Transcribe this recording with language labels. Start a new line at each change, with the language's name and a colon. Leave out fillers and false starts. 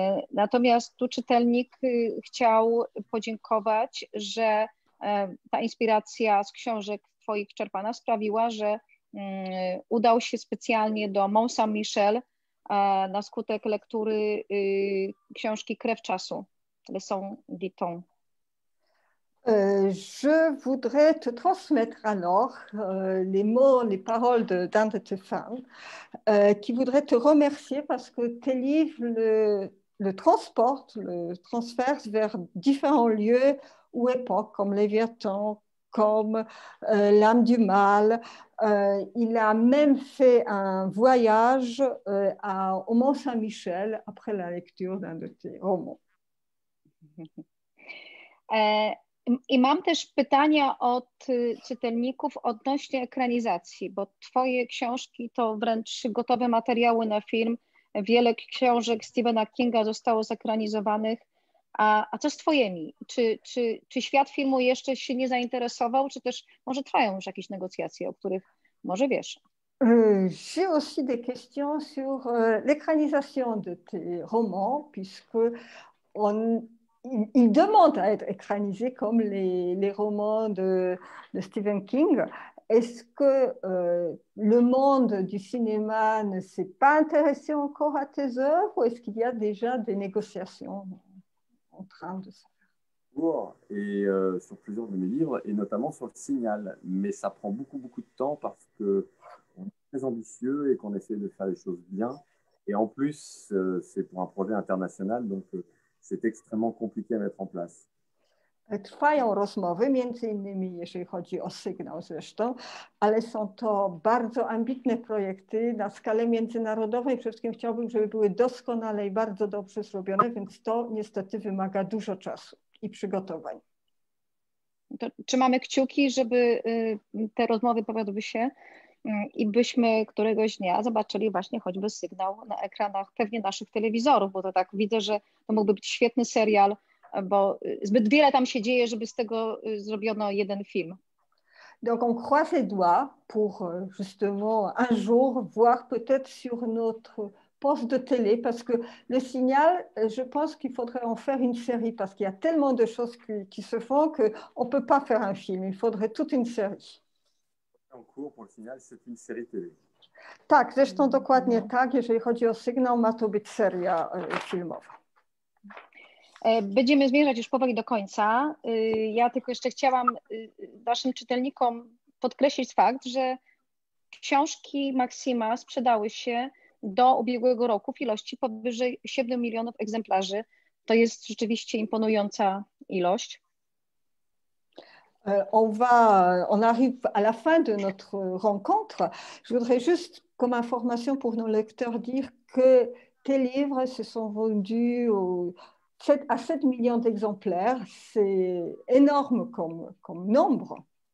Polish: Natomiast tu czytelnik chciał podziękować, że ta inspiracja z książek twoich czerpana sprawiła, że udał się specjalnie do Mont-Saint-Michel na skutek lektury książki Krew czasu, Le Sang du Temps.
French: Je voudrais te transmettre alors les mots, les paroles d'un de tes fans qui voudrait te remercier parce que tes livres le transportent, le transfèrent vers différents lieux ou époques comme Léviathan, comme L'âme du mal. Il a même fait un voyage au Mont-Saint-Michel après la lecture d'un de tes romans.
Polish: I mam też pytania od czytelników odnośnie ekranizacji, bo twoje książki to wręcz gotowe materiały na film. Wiele książek Stephena Kinga zostało zekranizowanych. A co z twoimi? Czy świat filmu jeszcze się nie zainteresował, czy też może trwają już jakieś negocjacje, o których może wiesz?
French: J'ai aussi des questions sur l'ekranizacja de tes romans, puisque on... Il demande à être écranisé comme les romans de Stephen King. Est-ce que le monde du cinéma ne s'est pas intéressé encore à tes œuvres ou est-ce qu'il y a déjà des négociations en train de se faire? Et sur plusieurs de mes livres, et notamment sur Le Signal. Mais ça prend beaucoup, beaucoup de temps parce qu'on est très ambitieux et qu'on essaie de faire les choses bien. Et en plus, c'est pour un projet international, donc... C'est extrêmement compliqué à mettre en place.
Polish: Trwają rozmowy, między innymi jeżeli chodzi o sygnał zresztą, ale są to bardzo ambitne projekty na skalę międzynarodową i przede wszystkim chciałbym, żeby były doskonale i bardzo dobrze zrobione, więc to niestety wymaga dużo czasu i przygotowań. To, czy mamy kciuki, żeby te rozmowy powiodły się i byśmy któregoś dnia zobaczyli właśnie choćby sygnał na ekranach pewnie naszych telewizorów, bo to tak widzę, że to mógłby być świetny serial, bo zbyt wiele tam się dzieje, żeby z tego zrobiono jeden film. Donc on croise les doigts pour justement un jour voir peut-être sur notre poste de télé, parce que le signal, je pense qu'il faudrait en faire une série, parce qu'il y a tellement de choses qui se font qu'on ne peut pas faire un film, il faudrait toute une série. En cours pour le signal, c'est une série télé. Tak, zresztą dokładnie tak, jeżeli chodzi o sygnał, ma to być seria filmowa. Będziemy zmierzać już powoli do końca. Ja tylko jeszcze chciałam naszym czytelnikom podkreślić fakt, że książki Maksima sprzedały się do ubiegłego roku w ilości powyżej 7 milionów egzemplarzy. To jest rzeczywiście imponująca ilość.
French: On arrive à la fin de notre rencontre. Je voudrais juste, comme information pour nos lecteurs, dire que tes livres se sont vendus à 7 millions d'exemplaires. C'est énorme comme nombre.